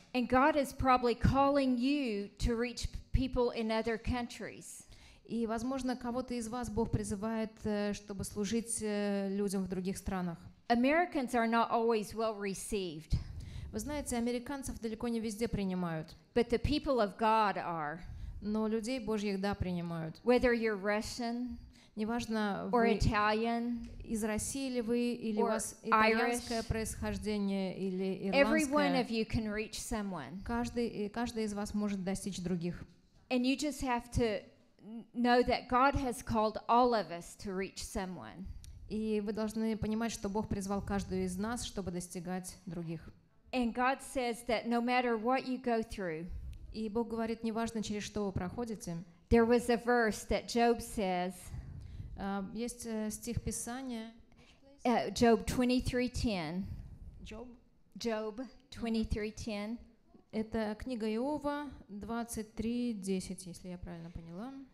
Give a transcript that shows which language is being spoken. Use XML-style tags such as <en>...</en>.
<en>And God is probably calling you to reach people in other countries.</en> <ru>И, возможно, кого-то из вас Бог призывает, чтобы служить людям в других странах.</ru> <en>Americans are not always well received.</en> <ru>Вы знаете, американцев далеко не везде принимают.</ru> <en>But the people of God are.</en> <ru>Но людей Божьих, да, принимают.</ru> <en>Whether you're Russian,</en> <ru>неважно,</ru> <en>or Italian,</en> <ru>из России ли вы, или у вас итальянское происхождение, или ирландское.</ru> <en>Every one of you can reach someone.</en> <ru>Каждый из вас может достичь других.</ru> <en>And you just have to know that God has called all of us to reach someone.</en> <ru>И вы должны понимать, что Бог призвал каждую из нас, чтобы достигать других.</ru> <en>And God says that no matter what you go through,</en> <ru>и Бог говорит, неважно, через что вы проходите,</ru> <en>there was a verse that Job says,</en> <ru>есть стих Писания,</ru> <en>Job 23:10. Job 23:10.</en> <ru>Это книга Иова 23:10, если я правильно поняла.</ru>